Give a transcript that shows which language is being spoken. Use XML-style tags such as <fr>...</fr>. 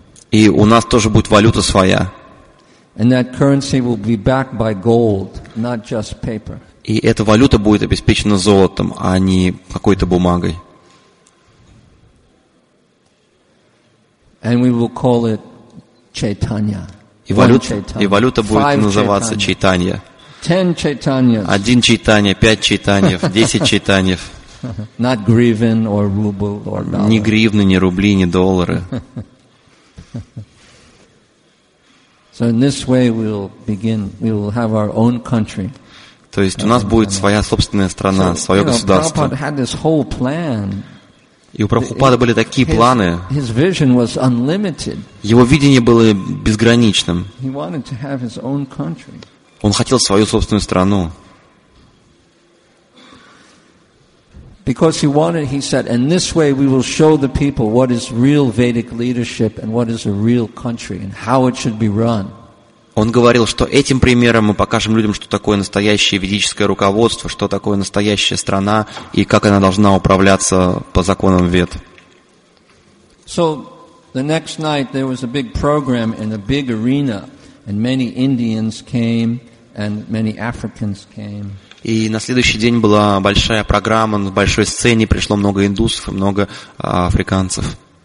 <ru>И у нас тоже будет валюта своя.</ru> <en>And that currency will be backed by gold, not just paper.</en> <ru>И эта валюта будет обеспечена золотом, а не какой-то бумагой.</ru> <en>And we will call it Chaitanya.</en> <ru>И валюта будет называться Чайтанья. 10 Чайтаньев. 1 Чайтанья, 5 Чайтаньев, 10 Чайтаньев.</ru> <en>Not гривен or ruble or dollar.</en> <ru>Ни гривны, ни рубли, ни доллары.</ru> <en>So in this way we will have our own country.</en> <ru>То есть у нас будет своя собственная страна, своё государство.</ru> <en>Prabhupada had this whole plan.</en> <ru>И у Прабхупады были такие планы.</ru> <en>His vision was unlimited.</en> <ru>Его видение было безграничным.</ru> <en>He wanted to have his own country.</en> <ru>Он хотел свою собственную страну.</ru> <en>Because he wanted, he said, in this way we will show the people what is real Vedic leadership and what is a real country and how it should be run.</en> <ru>Он говорил, что этим примером мы покажем людям, что такое настоящее ведическое руководство, что такое настоящая страна и как она должна управляться по законам Вед.</ru> <en>So the next night there was a big program in a big arena, and many Indians came and many Africans came.</en> <ru>И на следующий день была большая программа, на большой сцене пришло много индусов, много африканцев.</ru>